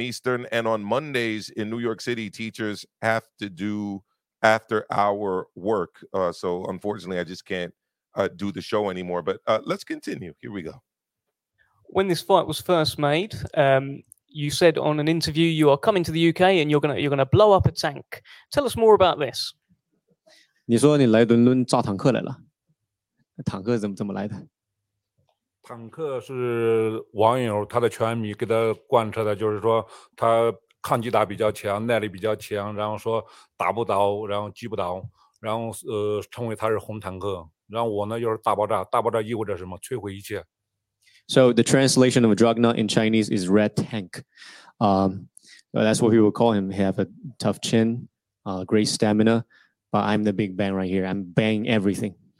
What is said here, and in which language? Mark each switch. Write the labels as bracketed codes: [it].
[en] Eastern, and on Mondays in New York City, teachers have to do after-hour work. So unfortunately, I just can't do the show anymore. But let's continue. Here we go. When this fight was first made, you said on an interview you are coming to the UK and you're gonna blow up a tank. Tell us more about this. [zh] 你说你来伦敦炸坦克来了，坦克怎么来的？坦克是网友他的拳迷给他贯彻的，就是说他抗击打比较强，耐力比较强，然后说打不倒，然后击不倒，然后称为他是红坦克。然后我呢又是大爆炸，大爆炸意味着什么？摧毁一切。 [en] So the translation of Dragna in Chinese is red tank. That's what we would call him. He have a tough chin, great stamina, but I'm the big bang right here. I'm bang everything.